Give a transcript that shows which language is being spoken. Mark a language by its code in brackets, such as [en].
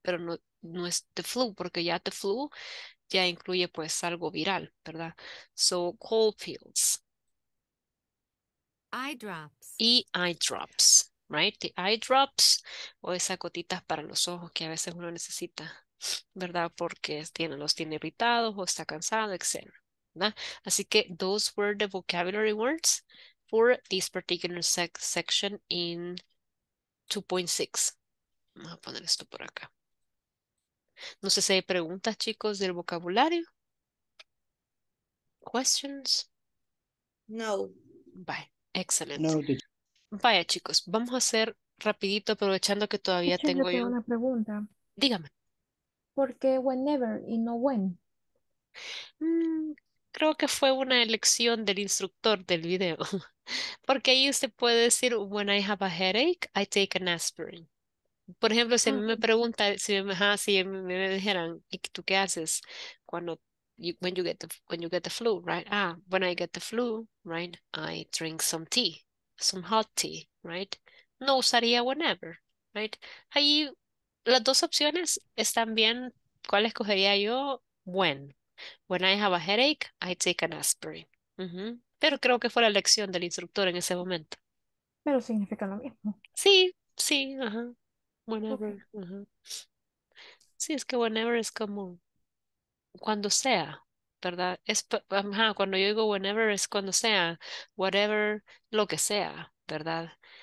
[es] Pero no, no es the flu, porque ya the flu ya incluye pues algo viral, ¿verdad? [en] So, cold pills. Eye drops. [es] Y eye drops. [en] Right, the eye drops, [es] o esas gotitas para los ojos que a veces uno necesita, ¿verdad? Porque tiene, los tiene irritados o está cansado, etc. ¿Verdad? Así que [en] those were the vocabulary words for this particular section in 2.6. [es] Vamos a poner esto por acá. No sé si hay preguntas, chicos, del vocabulario. [en] Questions? No. Bye, excellent. No. [es] Vaya, chicos, vamos a hacer rapidito aprovechando que todavía tengo yo. Una pregunta. Dígame. ¿Por qué whenever y no when? Creo que fue una elección del instructor del video. Porque ahí usted puede decir, [en] when I have a headache, I take an aspirin. [es] Por ejemplo, si a mí me pregunta, si me dijeran, ¿y tú qué haces cuando [en] when you get the flu, right? Ah, when I get the flu, right, I drink some tea. Some hot tea, right? No usaría whenever, right? [es] Ahí, las dos opciones están bien. ¿Cuál escogería yo? When. [en] When I have a headache, I take an aspirin. Uh-huh. [es] Pero creo que fue la lección del instructor en ese momento. Pero significa lo mismo. Sí, sí, ajá. Whenever. Okay. Ajá. Sí, es que whenever es como cuando sea, ¿verdad? Es, ajá, cuando yo digo whenever es cuando sea, whatever, lo que sea, ¿verdad?